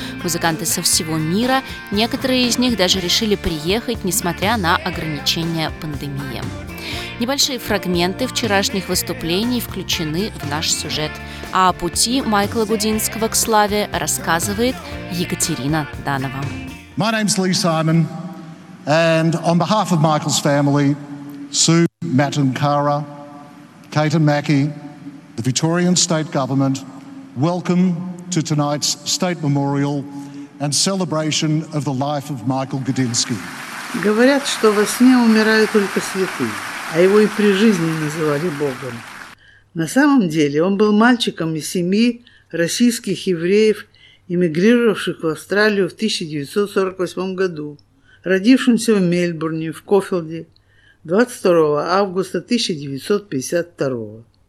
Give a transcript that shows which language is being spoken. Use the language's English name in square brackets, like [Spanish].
[Russian] Музыканты со всего мира, некоторые из них даже решили приехать, несмотря на ограничения пандемии. Небольшие фрагменты вчерашних выступлений включены в наш сюжет. А о пути Майкла Гудинского к славе рассказывает Екатерина Данова. [English] My name's Lee Simon, and on behalf of Michael's family, Sue, Matt and Cara, Kate and Mackie, the Victorian State Government, welcome to tonight's State Memorial and celebration of the life of Michael Gudinski. [Russian] Говорят, что во сне умирают только святые, а его и при жизни называли Богом. На самом деле он был мальчиком из семьи российских евреев, эмигрировавших в Австралию в 1948 году, родившимся в Мельбурне, в Кофилде, 22 августа 1952.